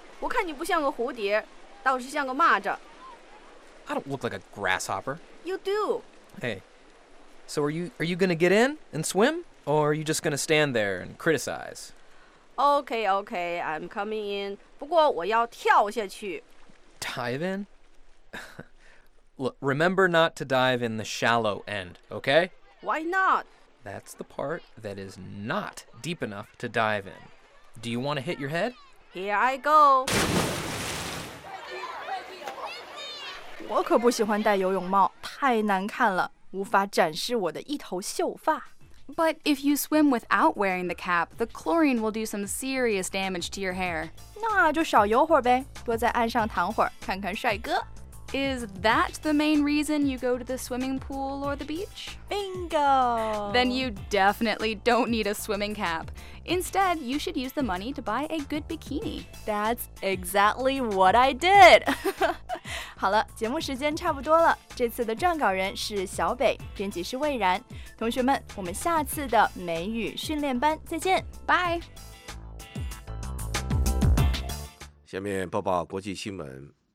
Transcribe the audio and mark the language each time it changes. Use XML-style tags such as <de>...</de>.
<zh>我看你不像个蝴蝶，倒是像个蚂蚱。</zh> <en>I don't look like a grasshopper. You do. Hey, so are you gonna get in and swim, or are you just gonna stand there and criticize? Okay, okay, I'm coming in.</en> <zh>不过我要跳下去。</zh> <en>Dive in? Look, remember not to dive in the shallow end, okay? Why not? That's the part that is not deep enough to dive in. Do you want to hit your head? Here I go.</en> <zh>我可不喜欢戴游泳帽，太难看了，无法展示我的一头秀发。</zh> <en>But if you swim without wearing the cap, the chlorine will do some serious damage to your hair.</en> <zh>那就少游会儿呗，多在岸上躺会儿，看看帅哥。</zh> <en>Is that the main reason you go to the swimming pool or the beach? Bingo! Then you definitely don't need a swimming cap. Instead, you should use the money to buy a good bikini. That's exactly what I did!</en> <zh>好了，节目时间差不多了，这次的撰稿人是小北，编辑是魏然。同学们，我们下次的美语训练班再见，拜。下面播报国际新闻。</zh>